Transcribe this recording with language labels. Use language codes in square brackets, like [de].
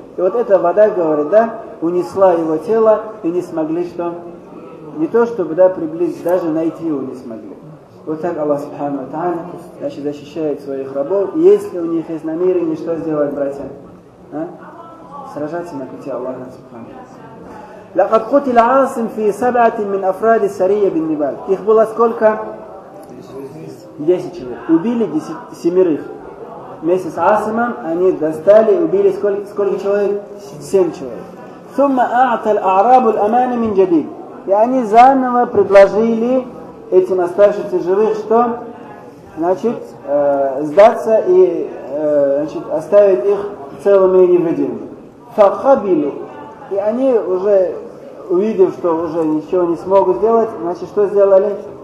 [ru] И вот эта вода, говорит, да, унесла его тело, и не смогли что? Не то, чтобы, да, приблизить, даже найти его не смогли. Вот так Аллах Субхану Та'ана, значит, защищает своих рабов. Если у них есть намерение, что сделать, братья? А? Сражаться на пути Аллаха Субхана. [ar] لقد قتل عاصم في سبعة من أفراد السرية بالنبال. [ru] Их было сколько? 10 человек. Убили 10 семерых. Вместе с Асимом они достали, убили сколько человек? 7 человек. [ar] ثم أعطى الأعراب الأمان من جديد. [ru] И они заново предложили этим оставшимся живых, что, значит, сдаться и, значит, оставить их целыми и невредимыми. [ar] فَقَبِلُوا. [ru] И они уже, увидев, что уже ничего не смогут сделать, значит, что сделали?